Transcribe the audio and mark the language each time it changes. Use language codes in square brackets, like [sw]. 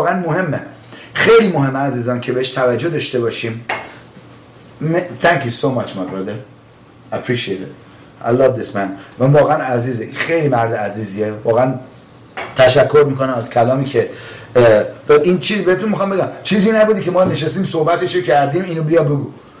[fa] واقعا مهمه, خیلی مهمه عزیزان که بهش توجه داشته باشیم. [en] Thank you so much my brother, I appreciate it, I love this man. [fa] و واقعا عزیزه, خیلی مرد عزیزیه. واقعا تشکر میکنم از کلامی که این چیز بهتون میخوام بگم, چیزی نبودی که ما نشستیم صحبتش رو کردیم اینو بیا بگو.